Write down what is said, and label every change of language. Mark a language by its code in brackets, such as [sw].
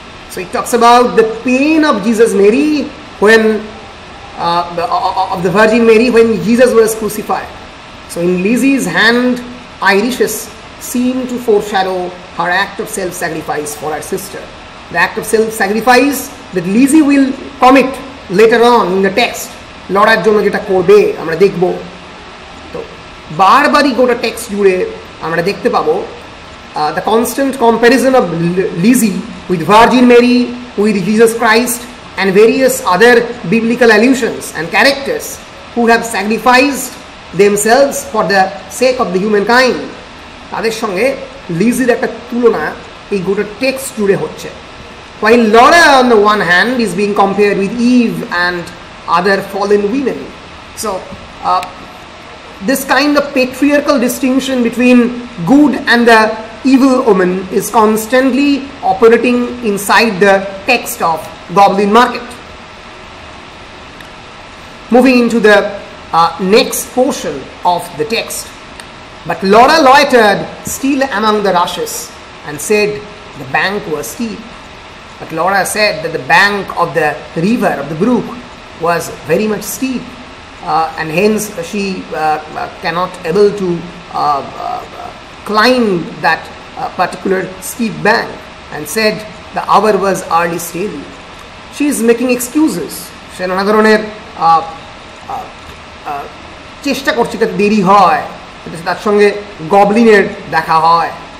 [en] So it talks about the pain of Jesus Mary when of the Virgin Mary when Jesus was crucified. So in Lizzie's hand, irises seem to foreshadow her act of self-sacrifice for her sister. The act of self-sacrifice that Lizzie will commit later on in the text. [bn] লড়ার জন্য যেটা করবে আমরা দেখব। তো বারবারই গোটা text জুড়ে আমরা দেখতে পাব [en] The constant comparison of Lizzie with Virgin Mary with Jesus Christ and various other biblical allusions and characters who have sacrificed themselves for the sake of the human kind. [bn] তাদের সঙ্গে লিজির একটা তুলনা এই গোটা টেক্সট জুড়ে হচ্ছে। [en] While Laura on the one hand is being compared with Eve and other fallen women. So this kind of patriarchal distinction between good and the evil woman is constantly operating inside the text of Goblin Market. Moving into the next portion of the text. But Laura loitered still among the rushes and said the bank was steep. But Laura said that the bank of the river, of the brook, was very much steep, and hence she cannot able to climb that particular steep bank, and said the hour was early still. She is making excuses. She is [bn] চেষ্টা করছে যাতে দেরি হয়, তার সঙ্গে গবলিনের দেখা হয়।